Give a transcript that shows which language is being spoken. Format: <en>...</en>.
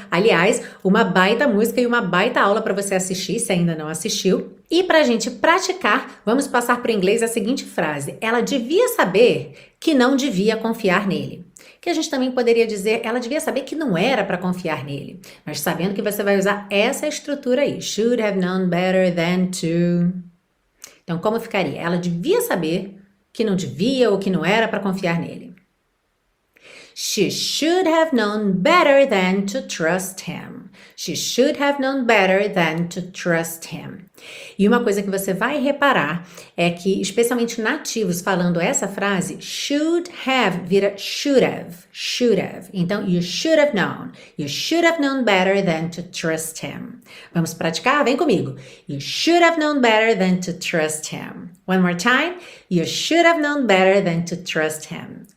<pt>Aliás, uma baita música e uma baita aula para você assistir, se ainda não assistiu. E para a gente praticar, vamos passar para o inglês a seguinte frase. Ela devia saber que não devia confiar nele. Que a gente também poderia dizer, ela devia saber que não era para confiar nele. Mas sabendo que você vai usar essa estrutura aí.</pt> <en>Should have known better than to.</en> <pt>Então, como ficaria? Ela devia saber que não devia ou que não era para confiar nele.</pt> <en>She should have known better than to trust him. She should have known better than to trust him.</en> <pt>E uma coisa que você vai reparar é que, especialmente nativos falando essa frase,</pt> <en>should have</en> <pt>vira should have. Então,</pt> <en>you should have known. You should have known better than to trust him.</en> <pt>Vamos praticar? Vem comigo.</pt> <en>You should have known better than to trust him. One more time. You should have known better than to trust him.</en>